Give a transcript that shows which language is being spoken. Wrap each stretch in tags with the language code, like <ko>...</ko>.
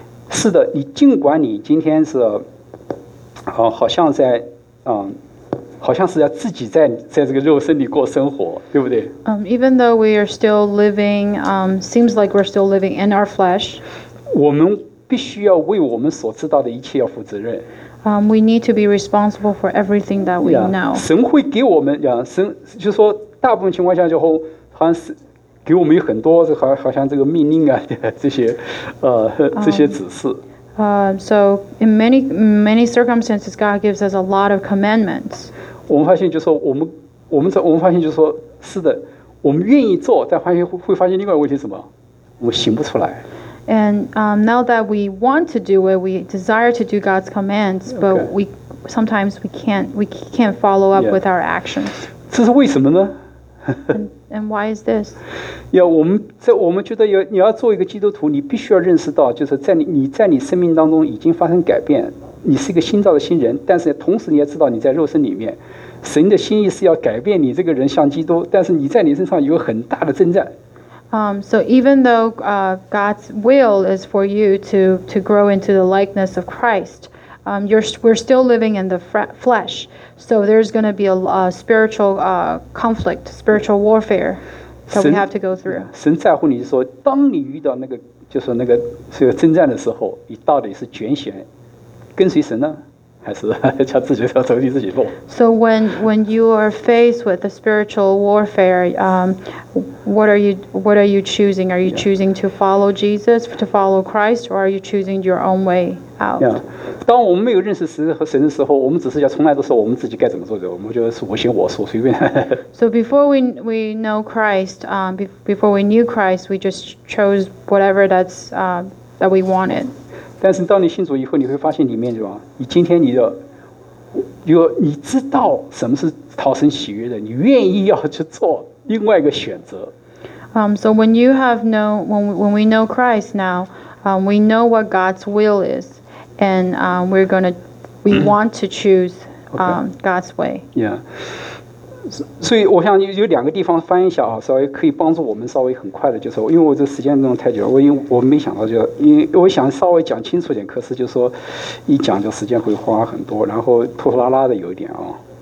<zh>是的，你尽管你今天是好像在好像是要自己在这个肉身里过生活，对不对？</zh> <en>Even though we are still living, seems like we're still living in our flesh.</en> <zh>我们必须要为我们所知道的一切要负责任。</zh> <en>We need to be responsible for everything that we know.</en> <zh>神会给我们，神就是说，大部分情况下就好像是给我们有很多，好像这个命令啊，这些指示。</zh> <en>So in many, many circumstances, God gives us a lot of commandments.</en> <zh>我们发现就是说我们发现就是说是的，我们愿意做，但会发现另外一个问题是什么？我们行不出来。</zh> <en>And now that we want to do it, we desire to do God's commands, but we sometimes can't follow up with our actions.</en> <zh>这是为什么呢？</zh> <en>And why is this?</en> <zh>Yeah, 我们觉得你要做一个基督徒，你必须要认识到，就是你在你生命当中已经发生改变，你是一个新造的新人。但是同时你要知道，你在肉身里面，神的心意是要改变你这个人像基督，但是你在你身上有很大的征战。</zh> <en>So even though God's will is for you to grow into the likeness of Christ, we're still living in the flesh. So there's going to be a spiritual conflict, spiritual warfare that we have to go through.</en> <zh>神在乎你说，当你遇到那个就是那个这个征战的时候，你到底是拣选跟随神呢，还是叫自己要走你自己路？</zh> <en>So when you are faced with a spiritual warfare, what are you choosing? Are you choosing to follow Jesus, to follow Christ, or are you choosing your own way out? Yeah.</en> <zh>当我们没有认识神和神的时候，我们只是要从来都说我们自己该怎么做的，我们就是我行我素，随便。</zh> <en>So before we know Christ, before we knew Christ, we just chose whatever that's that we wanted.</en> <zh>但是当你信主以后，你会发现里面是吧？你今天你知道什么是讨神喜悦的，你愿意要去做另外一个选择。</zh> <en>So when you have known, when we know Christ now, we know what God's will is, and we want to choose God's way. Yeah.</en> <zh>所以我想有两个地方翻一下啊，稍微可以帮助我们稍微很快的，就是因为我这时间弄太久了，我没想到，就因为我想稍微讲清楚点，可是就是说一讲就时间会花很多，然后拖拖拉拉的有一点啊。</zh>